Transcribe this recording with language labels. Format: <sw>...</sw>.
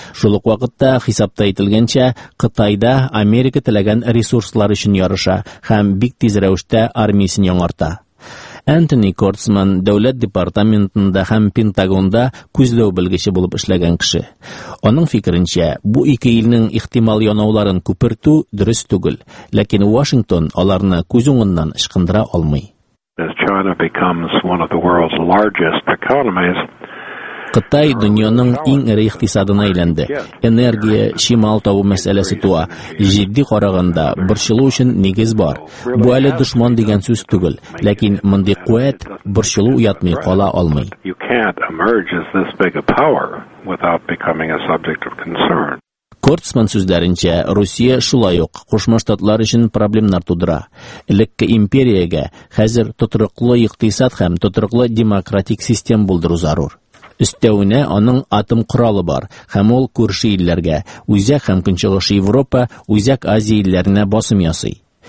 <tt>Шул ук вакытта хисапта әйтелгәнчә, Кытайда Америка теләгән ресурслар өчен ярыша һәм бик тиз рәвештә армиясен яңарта. Энтони Кортсман дәүләт департаментында һәм Пентагонда күзләү белгече булып эшләгән кеше. Аның фикеренчә, бу ике илнең ихтимал янауларын күпертү дөрес түгел, ләкин Вашингтон аларны күз уңыннан ышкындыра алмый.</tt> <en>As China becomes one of the world's largest economies,</en> <tt>Кытай дөньяның иң эре икътисадына әйләнде. Энергия, чимал табу мәсьәләсе туа. Җитди караганда, борчылу өчен нигез бар. Бу әле дошман дигән сүз түгел, ләкин мондый куәт борчылу уятмый кала алмый.</tt> <en>You can't emerge as this big a power without becoming a subject of concern.</en> <tt>Кортсман сүзләренчә, Россия шулай ук Кушма Штатлар өчен проблемнар тудыра. Элекке империягә хәзер тотрыклы икътисад һәм тотрыклы демократик система булдыру зарур. Өстәвенә аның атом коралы бар, һәм ул күрше илләргә, үзәк һәм көнчыгыш Европа, үзәк Азия илләренә басым ясый.</tt>